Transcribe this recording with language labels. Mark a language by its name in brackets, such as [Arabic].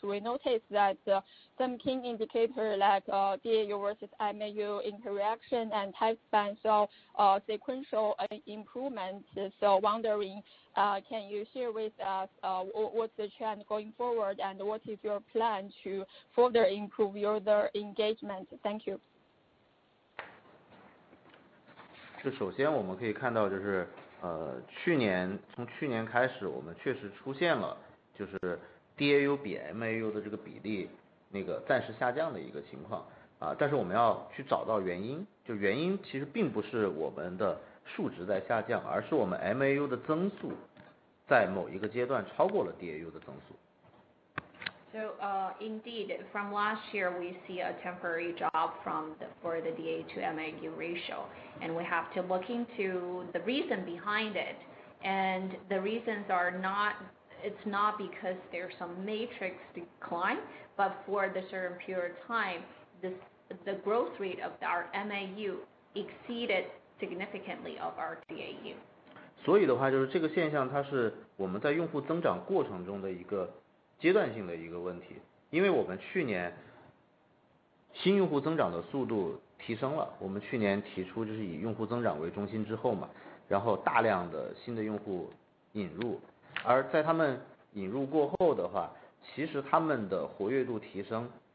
[English] We noticed that some key indicator like DAU versus MAU interaction and time span saw sequential improvement. So wondering, can you share with us what's the trend going forward and what is your plan to further improve user engagement? Thank you. [Chinese] 就首先我们可以看到，就是从去年开始，我们确实出现了就是 DAU 比 MAU 的这个比例那个暂时下降的一个情况啊，但是我们要去找到原因，就原因其实并不是我们的数值在下降，而是我们 MAU 的增速在某一个阶段超过了 DAU 的增速。 [English] So indeed, from last year, we see a temporary drop for the DA to MAU ratio, and we have to look into the reason behind it. And the reasons are not because there's some matrix decline, but for the certain period of time, the growth rate of our MAU exceeded significantly of our DAU. [Chinese] 所以的话，就是这个现象，它是我们在用户增长过程中的一个。阶段性的一个问题，因为我们去年新用户增长的速度提升了，我们去年提出就是以用户增长为中心之后嘛，然后大量的新的用户引入，而在他们引入过后的话，其实他们的活跃度提升